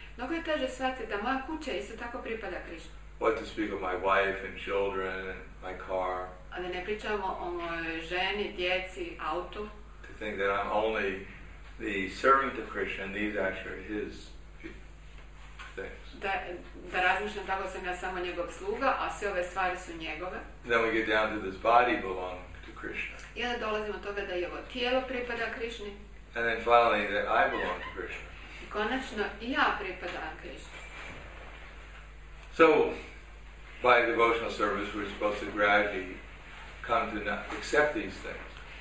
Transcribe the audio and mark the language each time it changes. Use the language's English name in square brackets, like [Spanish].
[Croatian] Mnogo je teže shvatiti da moja kuća isto tako pripada Krišni. [English] What to speak of my wife and children and my car. [Croatian] A da ne pričamo o mojoj ženi, djeci, autu. [English] To think that I'm only the servant of Krishna, and these actually are his things. [Croatian] Da razmišljam tako sam ja samo njegov sluga, a sve ove stvari su njegove. [English] Then we get down to this body belong to Krishna. [Croatian] I onda dolazimo do toga da je ovo tijelo pripada Krišni. [English] And then finally, that I belong to Krishna. [Croatian] I konačno, ja pripadam Krishna. [English] So, by devotional service, we're supposed to gradually come to not accept these things.